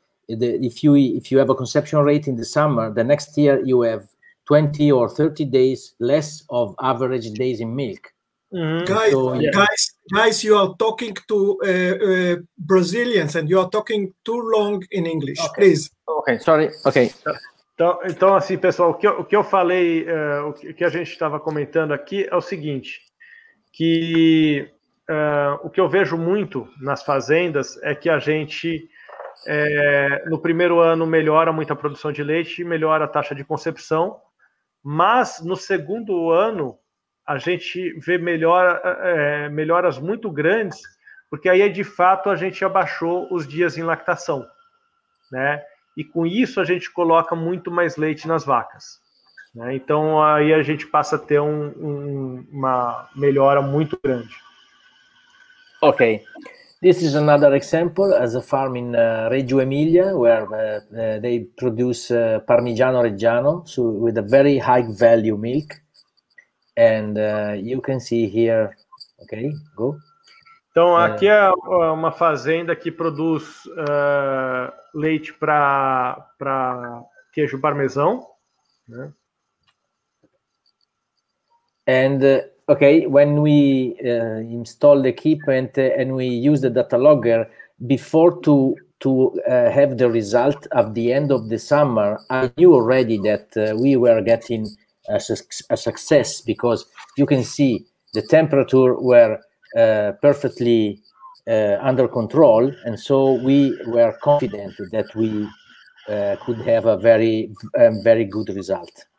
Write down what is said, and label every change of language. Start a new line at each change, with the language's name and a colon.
English: If you have a conception rate in the summer, the next year you have 20 or 30 days less of average days in milk. Mm-hmm. Guys, so, yeah. guys, you are talking to Brazilians and you are talking too long in English. Okay. Please. Okay, sorry. Okay.
Portuguese: Então, assim, pessoal, o que eu falei, o que a gente estava comentando aqui é o seguinte, que o que eu vejo muito nas fazendas é que a gente... no primeiro ano melhora muito a produção de leite, melhora a taxa de concepção, mas no segundo ano a gente vê melhoras muito grandes, porque aí de fato a gente abaixou os dias em lactação, né? E com isso a gente coloca muito mais leite nas vacas, né? Então aí a gente passa a ter uma melhora muito grande.
English: Ok. This is another example as a farm in Reggio Emilia, where they produce Parmigiano Reggiano, so with a very high value milk. And you can see here, okay, go.
Portuguese: Então, aqui é uma fazenda que produz leite para queijo parmesão. Né?
English: And... okay, when we install the equipment and we use the data logger, before to have the result at the end of the summer, I knew already that we were getting a success, because you can see the temperature were perfectly under control, and so we were confident that we could have a very, very good result.